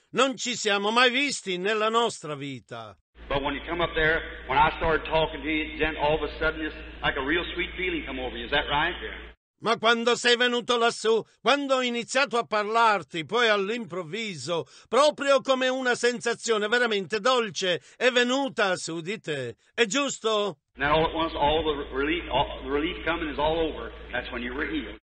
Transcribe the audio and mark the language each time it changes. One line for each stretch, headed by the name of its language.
Italian: Non ci siamo mai visti nella nostra vita.
English: But when you come up there, when I started talking to you, then all of a sudden it's like a real sweet feeling come over you. Is that right? Yeah.
Italian: Ma quando sei venuto lassù, quando ho iniziato a parlarti, poi all'improvviso, proprio come una sensazione veramente dolce è venuta su di te. È giusto?
English: Now all at once all the relief, coming is all over. That's when you were healed.